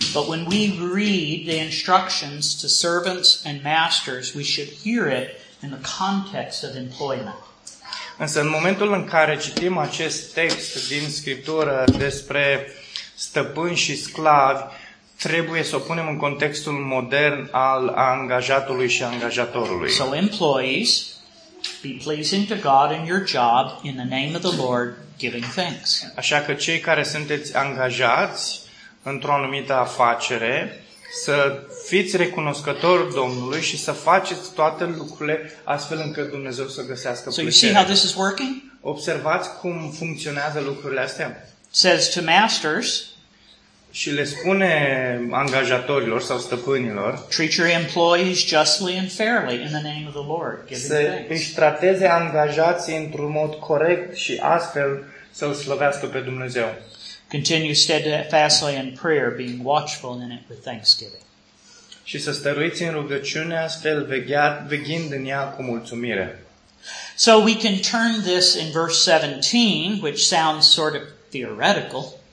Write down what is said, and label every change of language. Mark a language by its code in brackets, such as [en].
[en] But when we read the instructions to servants and masters, we should hear it in the context of employment. [ro] Însă în momentul în care citim acest text din Scriptură despre stăpâni și sclavi, trebuie să o punem în contextul modern al angajatului și angajatorului. [en] So employees, be pleasing to God in your job in the name of the Lord, giving thanks. [ro] Așa că cei care sunteți angajați într-o anumită afacere, Să fiți recunoscători Domnului și să faceți toate lucrurile astfel încât Dumnezeu să găsească plăcere. [en] So you see how this is working? [ro] Observați cum funcționează lucrurile astea. [en] Says to masters, [ro] și le spune angajatorilor sau stăpânilor, [en] treat your employees justly and fairly in the name of the Lord, giving thanks. [ro] Să își trateze angajații într-un mod corect și astfel să îl slăvească pe Dumnezeu. [en] Continue steadfastly in prayer, being watchful in it with thanksgiving. [ro] Și să stăruiți în rugăciune, astfel veghind în ea cu mulțumire. [en] So we can turn this in verse 17, which sounds sort of theoretical.